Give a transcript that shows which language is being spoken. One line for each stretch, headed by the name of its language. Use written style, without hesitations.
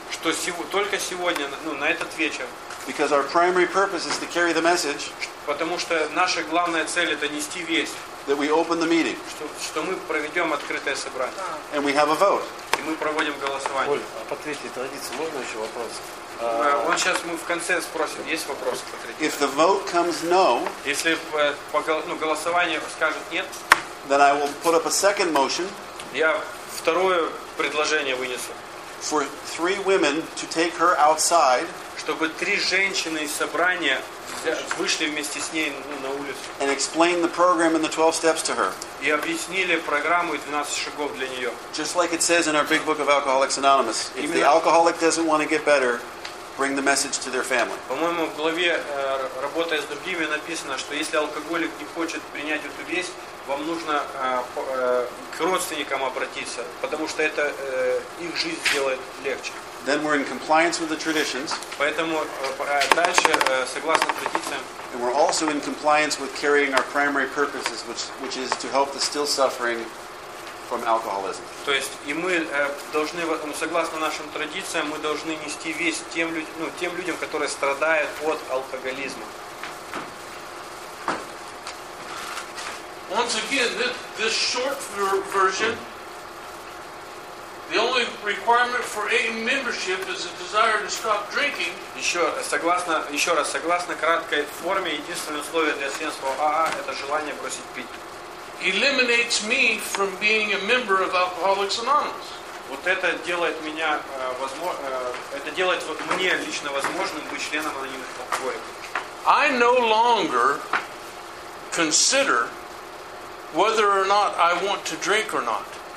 Russian: Что только сегодня, на этот вечер.
English: Because our primary purpose is to carry the message.
Russian: Потому что наша главная цель это нести весть.
English: That we open the meeting.
Russian: Что мы проведем открытое собрание.
English: And we have a vote.
Russian: И мы проводим голосование. Оль, а по третьей традиции можно еще вопрос? Он сейчас мы в конце спросим, есть вопросы по третьей.
English: If the vote comes no.
Russian: Если голосование скажет нет.
English: Then I will put up a second motion.
Russian: Я второе предложение вынесу.
English: For three women to take her outside.
Russian: Чтобы три женщины из собрания вышли вместе с ней на улицу.
English: And explain the program and the 12 steps to her.
Russian: И объяснили программу и 12 шагов для нее.
English: Just like it says in our big book of Alcoholics Anonymous. If the alcoholic doesn't want to get better, bring the message to their family.
Russian: По-моему, в главе «Работая с другими» написано, что если алкоголик не хочет принять эту весть, вам нужно к родственникам обратиться, потому что это их жизнь сделает легче.
English: Then we're in compliance with the traditions.
Russian: Поэтому дальше согласно традициям.
English: And we're also in compliance with carrying our primary purposes, which is to help the still suffering from alcoholism.
Russian: То есть и мы должны согласно нашим традициям мы должны нести весть тем людям, которые страдают от алкоголизма.
English: Once again, this short version. The only requirement for AA membership is a desire to stop drinking.
Russian: Еще раз, согласно краткой форме, единственное условие для членства АА – это желание бросить пить.
English: Eliminates me from being a member of Alcoholics Anonymous.
Russian: Вот это делает меня это делает вот мне лично возможным быть членом анонимных алкоголиков.
English: I no longer consider whether or not I want to drink or not.